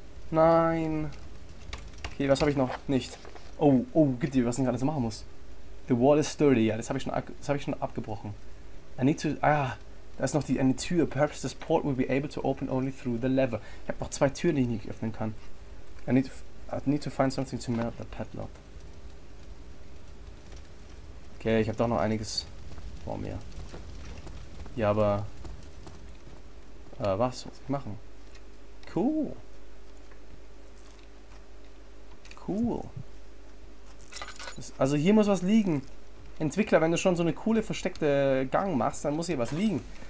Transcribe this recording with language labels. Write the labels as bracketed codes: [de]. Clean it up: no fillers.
[de] Nein. Okay, was habe ich noch? Nicht. Oh, gibt dir, was ich alles machen muss. [en] The wall is sturdy, [de] ja, das habe ich schon abgebrochen. Da ist noch eine Tür. [en] Perhaps this port will be able to open only through the lever. [de] Ich habe noch zwei Türen, die ich nicht öffnen kann. [en] I need to find something to melt the padlock. [de] Okay, ich habe doch noch einiges vor mir. Ja, aber. Was muss ich machen? Cool. Also hier muss was liegen. Entwickler, wenn du schon so eine coole versteckte Gang machst, dann muss hier was liegen.